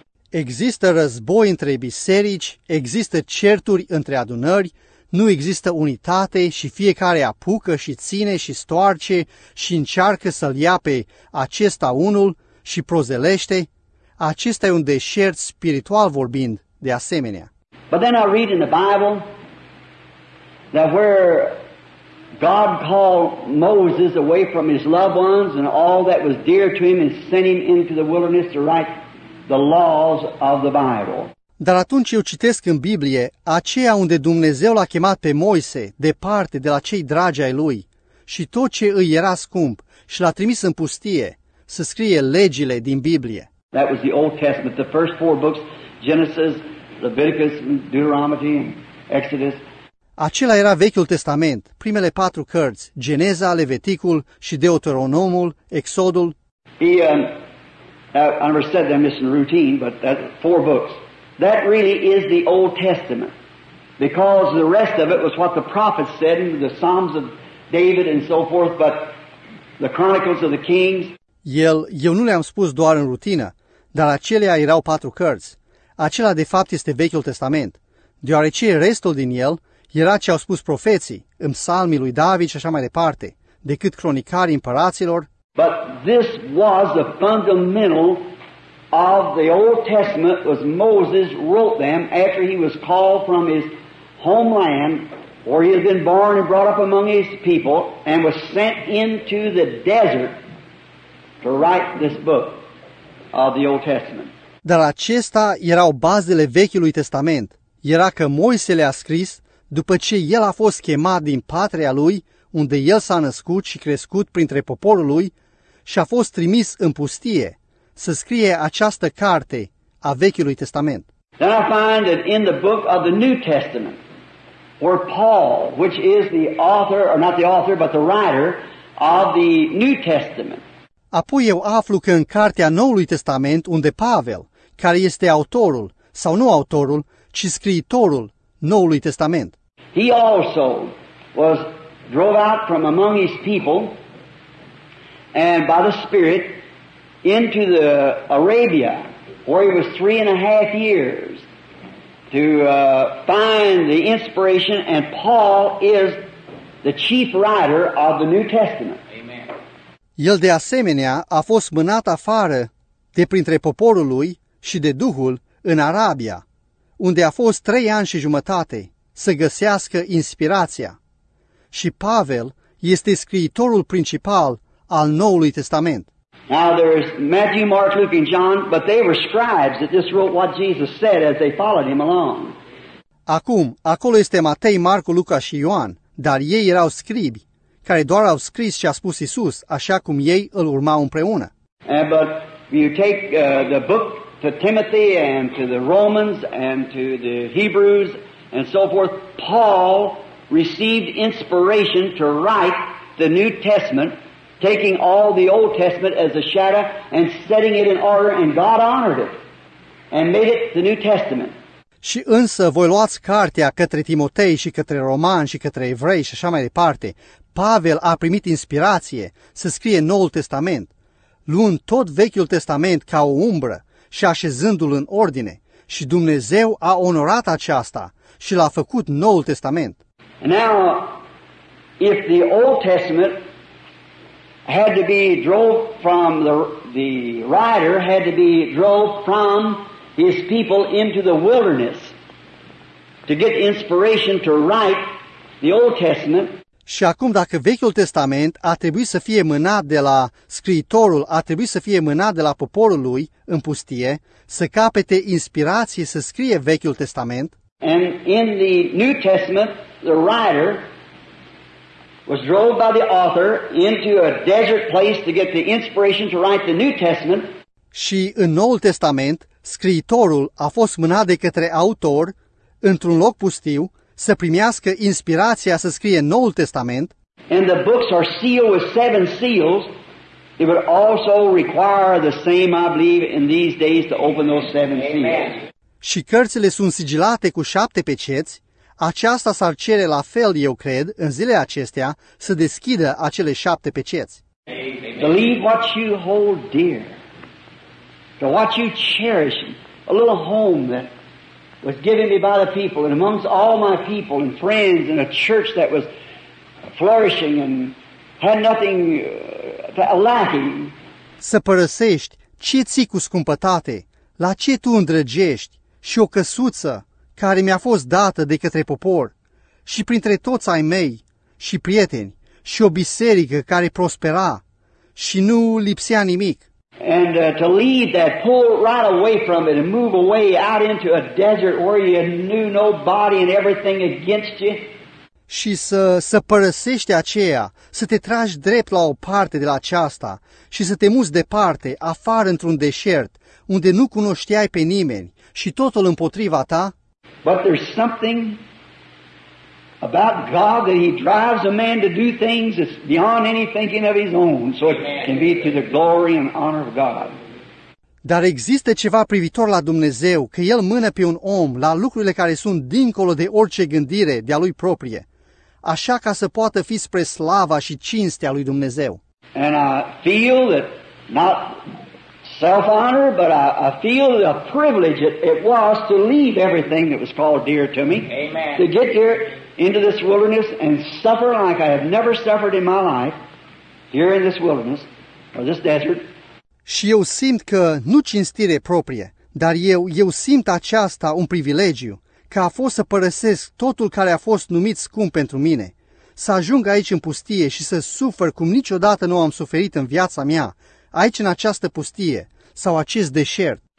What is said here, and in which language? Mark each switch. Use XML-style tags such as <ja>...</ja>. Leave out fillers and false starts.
<ro>Există război între biserici, există certuri între adunări, nu există unitate și fiecare apucă și ține și stoarce și încearcă să-l ia pe acesta unul și prozelește. Acesta e un deșert spiritual vorbind, de asemenea.</ro> <en>But then I read in the Bible that where God called Moses away from his loved ones and all that was dear to him and sent him into the wilderness to write the laws of the Bible.</en> <ro>Dar atunci eu citesc în Biblie aceea unde Dumnezeu l-a chemat pe Moise departe de la cei dragi ai lui și tot ce îi era scump și l-a trimis în pustie să scrie legile din Biblie.</ro> <en>That was the Old Testament, the first four books, Genesis, Leviticus, Deuteronomy, Exodus.</en> <ro>Acela era Vechiul Testament, primele patru cărți, Geneza, Leviticul și Deuteronomul, Exodul.</ro> <en>I never said that in routine, but that four books. That really is the Old Testament, because the rest of it was what the prophets said in the Psalms of David and so forth, but the Chronicles of the Kings.</en> <ro>Eu nu le-am spus doar în rutină, dar acelea erau patru cărți. Acela, de fapt, este Vechiul Testament, deoarece restul din el era ce au spus profeții, în psalmii lui David și așa mai departe, decât cronicarii împăraților.</ro> <en>But this was the fundamental of the Old Testament was Moses wrote them after he was called from his homeland where he had been born and brought up among his people and was sent into the desert to write this book of the Old Testament.</en> <ro>Dar acestea erau bazele Vechiului Testament. Era că Moise le-a scris după ce el a fost chemat din patria lui, unde el s-a născut și crescut printre poporul lui, și a fost trimis în pustie să scrie această carte a Vechiului Testament.</ro> <en>Then I find that in the book of the New Testament, where Paul, which is the author, or not the author, but the writer of the New Testament.</en> <ro>Apoi eu aflu că în cartea Noului Testament, unde Pavel, care este autorul, sau nu autorul, ci scriitorul Noului Testament.</ro> <en>He also was drove out from among his people and by the Spirit into the Arabia, where he was 3.5 years to find the inspiration, and Paul is the chief writer of the New Testament.</en> <ro>El de asemenea a fost mânat afară de printre poporul lui și de Duhul în Arabia, unde a fost 3 ani și jumătate să găsească inspirația. Și Pavel este scriitorul principal al Noului Testament.</ro> <en>Now there's Matthew, Mark, Luke and John, but they were scribes that just wrote what Jesus said as they followed him along.</en> <ro>Acum, acolo este Matei, Marcu, Luca și Ioan, dar ei erau scribi care doar au scris ce a spus Iisus, așa cum ei îl urmau împreună.</ro> <en>But you take the book to Timothy and to the Romans and to the Hebrews and so forth, Paul received inspiration to write the New Testament, taking all the Old Testament as a shadow and setting it in order, and God honored it and made it the New Testament.</en> <ro>Și însă voi luați cartea către Timotei și către Romani și către Evrei și așa mai departe. Pavel a primit inspirație să scrie Noul Testament, luând tot Vechiul Testament ca o umbră și așezându-l în ordine. Și Dumnezeu a onorat aceasta și l-a făcut Noul Testament.</ro> <en>Now, if the Old Testament had to be drove from the writer, had to be drove from his people into the wilderness to get inspiration to write the Old Testament.</en> <ro>Și acum, dacă Vechiul Testament a trebuit să fie mânat de la scriitorul, a trebuit să fie mânat de la poporul lui în pustie, să capete inspirație să scrie Vechiul Testament.</ro> <en>And in the New Testament, the writer was drove by the author into a desert place to get the inspiration to write the New Testament.</en> <ro>Și în Noul Testament, scriitorul a fost mânat de către autor într-un loc pustiu să primească inspirația să scrie Noul Testament.</ro> <en>And the books are sealed with 7 seals. It would also require the same, I believe, in these days to open those 7 seals. Amen.</en> <ro>Și cărțile sunt sigilate cu 7 peceți. Aceasta s-ar cere la fel, eu cred, în zilele acestea, să deschidă acele 7 peceți.</ro> <en>Believe what you hold dear, to what you cherish, a little home that was given me by the people, and amongst all my people and friends, and a church that was flourishing and had nothing lacking.</en> <ro>Să părăsești ce ții cu scumpătate, la ce tu îndrăgești, și o căsuță care mi-a fost dată de către popor, și printre toți ai mei și prieteni, și o biserică care prospera și nu lipsea nimic.</ro> <en>And to leave that, pull right away from it and move away out into a desert where you knew nobody and everything against you.</en> <ro>Și să părăsești aceea, să te tragi drept la o parte de la aceasta și să te muți departe, afară într-un deșert, unde nu cunoșteai pe nimeni și totul împotriva ta.</ro> <en>But there's something about God that he drives a man to do things that's beyond any thinking of his own, so it can be to the glory and honor of God.</en> <ro>Dar există ceva privitor la Dumnezeu, că el mână pe un om la lucrurile care sunt dincolo de orice gândire de-a lui proprie, așa ca să poată fi spre slava și cinstea lui Dumnezeu.</ro> <en>And I feel that not self-honor, but I feel the privilege it was to leave everything that was called dear to me. Amen. To get here into this wilderness and suffer like I have never suffered in my life here in this wilderness or this desert.</en> <ro>Și eu simt că nu cinstire proprie, dar eu simt aceasta un privilegiu, că a fost să părăsesc totul care a fost numit scump pentru mine, să ajung aici în pustie și să sufăr cum niciodată nu am suferit în viața mea, aici în această pustie sau acest deșert.</ro>